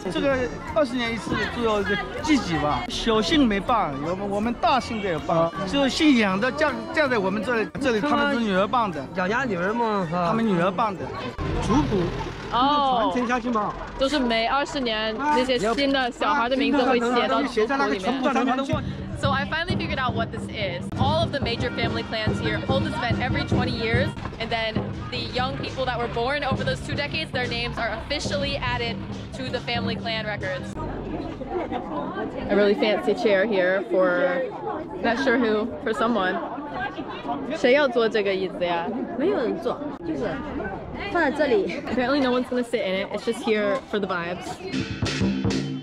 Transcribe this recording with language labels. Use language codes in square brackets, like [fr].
[zh] 这个20年一次，只有自己吧。小姓没办，我们大姓的也办，只有姓杨的嫁在我们这里，这里他们是女儿办的。养家女儿嘛，他们女儿办的。族谱，哦，传承下去吗？都是每20年那些新的小孩的名字会写到族谱里面。 [en] So I finally figured out what this is. All of the major family clans here hold this event every 20 years, and then the young people that were born over those 2 decades, their names are officially added to the family clan records. A really fancy chair here for not sure who, for someone. [zh] 谁要坐这个椅子呀？没有人坐，就是放在这里。 [en] Apparently, no one's gonna sit in it. It's just here for the vibes.